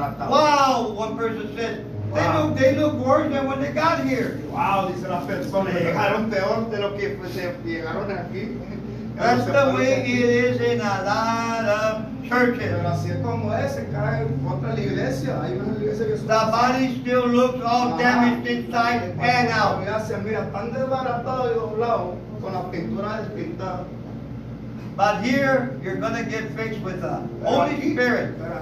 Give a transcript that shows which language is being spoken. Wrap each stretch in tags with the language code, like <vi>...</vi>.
<en>Wow, one person said, They look worse than when they got here.</en> <es>Wow, dice la persona, llegaron peor de lo que llegaron aquí.</es> <en>That's the way it is in a lot of churches.</en> <es>Pero así es como es, se cae contra la iglesia. Hay una iglesia que</es> <en>the body still looks all damaged inside and out.</en> <es>Mira, están desbaratados y doblados con la pintura despintada.</es> <en>But here, you're going to get fixed with the Holy Spirit.</en>